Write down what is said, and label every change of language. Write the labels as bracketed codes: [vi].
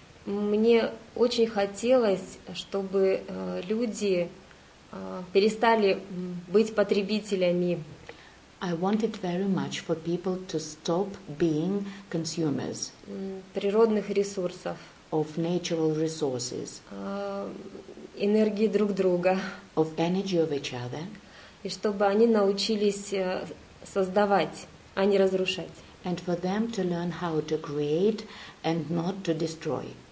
[ru] Мне очень хотелось, чтобы люди перестали быть потребителями. [en] I wanted very much for people to stop being consumers. [ru] Природных ресурсов. [en] Of natural resources. [ru] Энергии друг друга. [en] Of energy of each other. [ru] И чтобы они научились создавать, а не разрушать. [en] And for them to learn how to create and not to destroy.